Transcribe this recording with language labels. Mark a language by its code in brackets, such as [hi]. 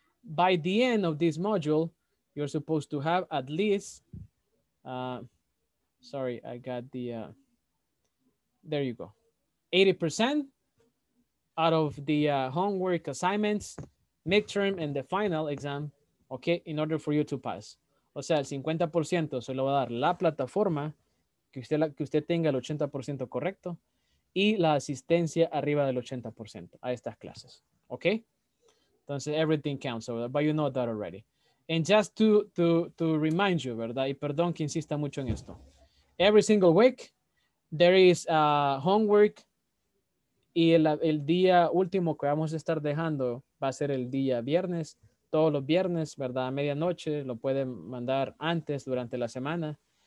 [en] By the end of this module, you're supposed to have at least, there you go. 80% out of the homework assignments, midterm, and the final exam, okay, in order for you to pass. [es] O sea, el 50% se lo va a dar la plataforma, que usted tenga el 80% correcto y la asistencia arriba del 80% a estas clases, okay? [en] Entonces, everything counts over there, but you know that already. And just to remind you, [es] ¿verdad? Y perdón que insista mucho en esto. [en] Every single week, there is a homework [es] y el día último que vamos a estar dejando va a ser el día viernes, todos los viernes, ¿verdad? A medianoche, lo pueden mandar antes, durante la semana.